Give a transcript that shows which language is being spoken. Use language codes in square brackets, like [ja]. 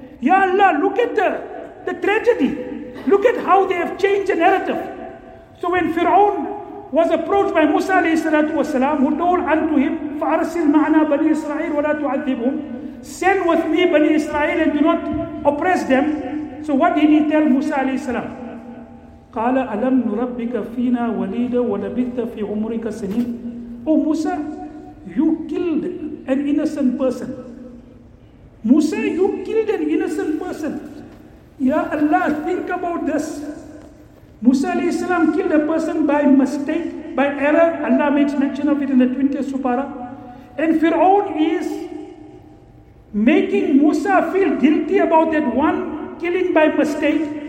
[en] Ya Allah, look at the tragedy. Look at how they have changed the narrative. So when Fir'aun was approached by Musa alayhi salatu wasalam, who told unto him, [ar] فَأَرْسِلْ مَعْنَا بَنِي إِسْرَائِيلَ وَلَا تُعَذِّبُهُمْ. [en] Send with me Bani Israel and do not oppress them. So what did he tell Musa alayhi salam? [ar] قَالَ أَلَمْ نُرَبِّكَ فِينَا وَلِيدًا وَلَبِثْتَ فِي عُمْرِكَ سَنِينَ. [en] Oh Musa, you killed an innocent person. Musa, you killed an innocent person. Ya Allah, think about this. Musa alayhi salam killed a person by mistake, by error. Allah makes mention of it in the 20th Supara. And Fir'aun is making Musa feel guilty about that one killing by mistake.